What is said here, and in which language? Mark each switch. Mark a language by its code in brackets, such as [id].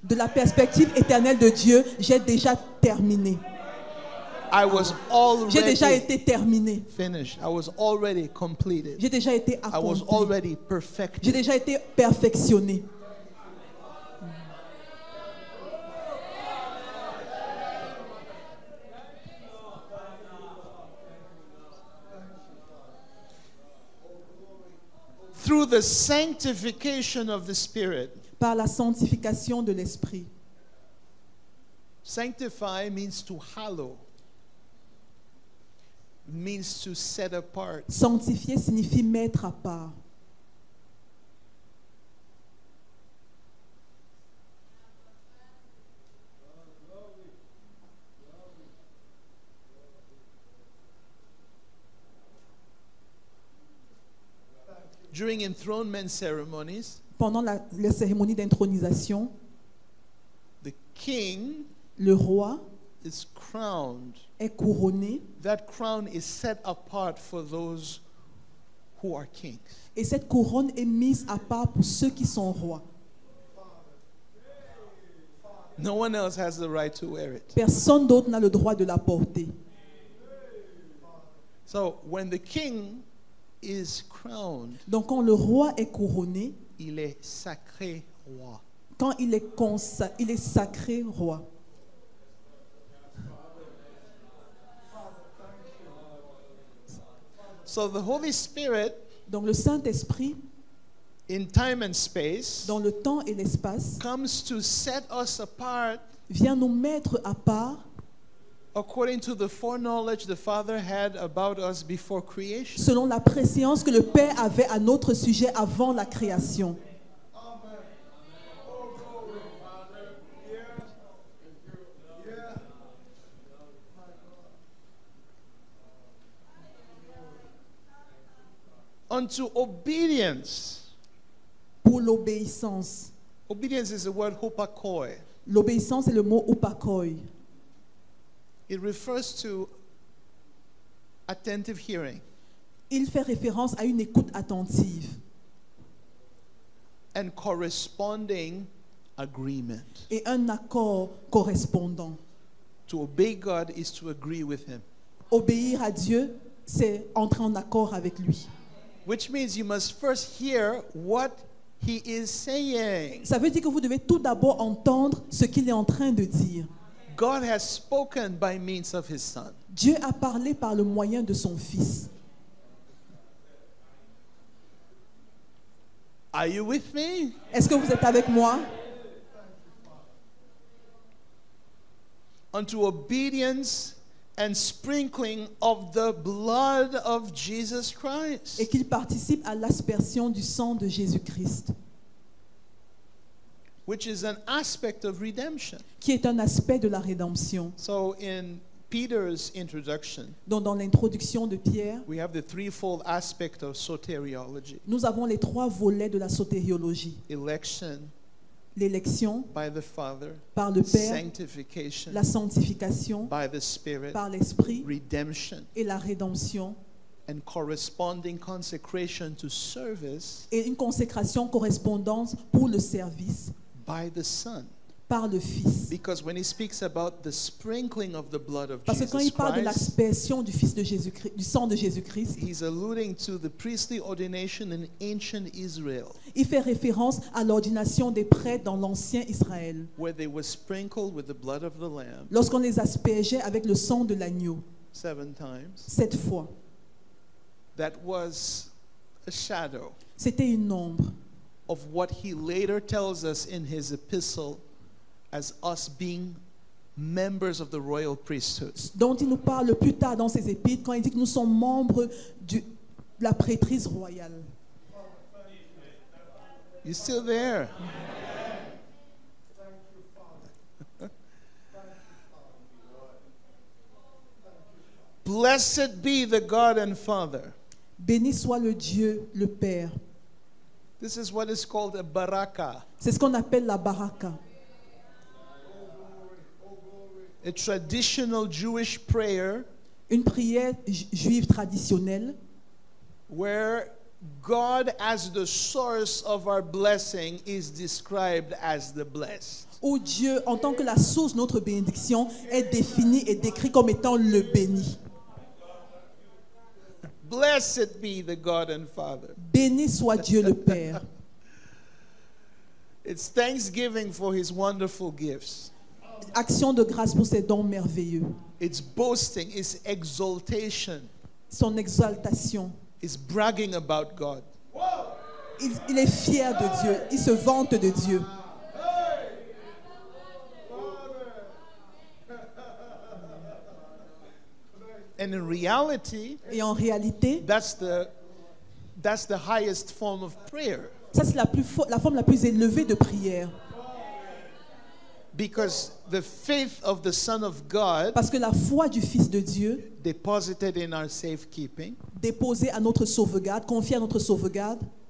[fr] De la perspective éternelle de Dieu, j'ai déjà terminé. [en] I was already [fr] j'ai déjà été terminé. [en] Finished. I was already completed. [fr] J'ai déjà été accompli. [en] I was already perfected. [fr] J'ai déjà été perfectionné. [en] Through the sanctification of the Spirit. [fr] Par la sanctification de l'Esprit. [en] Sanctify means to hallow. Means to set apart. [fr] Sanctifier signifie mettre à part. [en] During enthronement ceremonies, [fr] pendant la cérémonie d'intronisation, [en] the king, [fr] le roi, [en] is crowned. [fr] Est couronné. [en] That crown is set apart for those who are kings. [fr] Et cette couronne est mise à part pour ceux qui sont rois. [en] No one else has the right to wear it. [fr] Personne d'autre n'a le droit de la porter. [en] So when the king is crowned, [fr] donc quand le roi est couronné, il est sacré roi. Quand il est sacré roi. [en] So the Holy Spirit, [fr] donc le Saint-Esprit, [en] in time and space, [fr] dans le temps et l'espace, [en] comes to set us apart, [fr] vient nous mettre à part, [en] according to the foreknowledge the Father had about us before creation, [fr] selon la préscience que le Père avait à notre sujet avant la création. [en] Unto obedience. [fr] Pour l'obéissance. [en] Obedience is the word hupakoi. [fr] L'obéissance est le mot hupakoi. [en] It refers to attentive hearing. [fr] Il fait référence à une écoute attentive. [en] And corresponding agreement. [fr] Et un accord correspondant. [en] To obey God is to agree with him. [fr] Obéir à Dieu, c'est entrer en accord avec lui. [en] Which means you must first hear what he is saying. [fr] Ça veut dire que vous devez tout d'abord entendre ce qu'il est en train de dire. [en] God has spoken by means of his son. [fr] Dieu a parlé par le moyen de son fils. [en] Are you with me? [fr] Est-ce que vous êtes avec moi? [en] Unto obedience and sprinkling of the blood of Jesus Christ. [fr] Et qu'il participe à l'aspersion du sang de Jésus-Christ. [en] Which is an aspect of redemption. [fr] Qui est un aspect de la rédemption. [en] So in Peter's introduction. [fr] Donc dans l'introduction de Pierre. [en] We have the threefold aspect of soteriology. [fr] Nous avons les trois volets de la sotériologie. [en] Election. [fr] L'élection [en] by the Father, [fr] par le Père, [en] sanctification, [fr] la sanctification [en] by the Spirit, [fr] par l'Esprit, [en] redemption, [fr] et la rédemption, [en] and corresponding consecration to service, [fr] et une consécration correspondante pour le service [en] by the Son, [fr] par le Fils. [en] Because when he speaks about the sprinkling of the blood of [fr] parce [en] Jesus [fr] quand il parle [en] Christ, [fr] de l'aspersion du Fils de Jésus-Christ, du sang de Jésus-Christ, [en] he's alluding to the priestly ordination in ancient Israel. [fr] Il fait référence à l'ordination des prêtres dans l'ancien Israël. [en] Where they were sprinkled with the blood of the lamb. [fr] Lorsqu'on les aspergeait avec le sang de l'agneau. [en] Seven times. [fr] Sept fois. [en] That was a shadow. [fr] C'était une ombre. [en] Of what he later tells us in his epistle. As us being members of the royal priesthood. [fr] Dont il nous parle plus tard dans ses épîtres quand il dit que nous sommes membres de la prêtrise royale. [en] You still there? Blessed be the God and Father. [fr] Béni soit le Dieu le Père. [en] This is what is called a baraka. [fr] C'est ce qu'on appelle la baraka. [en] A traditional Jewish prayer, [fr] une prière juive traditionnelle, [en] where God as the source of our blessing is described as the blessed. [fr] Où Dieu, en tant que la source de notre bénédiction, est défini et décrit comme étant le béni. [en] Blessed be the God and Father. [fr] Béni soit Dieu le Père. [en] It's thanksgiving for His wonderful gifts. [fr] Action de grâce pour ses dons merveilleux. [en] It's boasting, it's exaltation. [fr] Son exaltation. [en] It's bragging about God. [fr] Il est fier de Dieu. Il se vante de Dieu. [en] And in reality, [fr] et en réalité, [en] that's the highest form of prayer. [fr] Ça c'est la forme la plus élevée de prière. [en] Because the faith of the Son of God, [fr] parce que la foi du Fils de Dieu, [en] deposited in our safekeeping, [fr] déposée à notre sauvegarde, confiée à notre sauvegarde,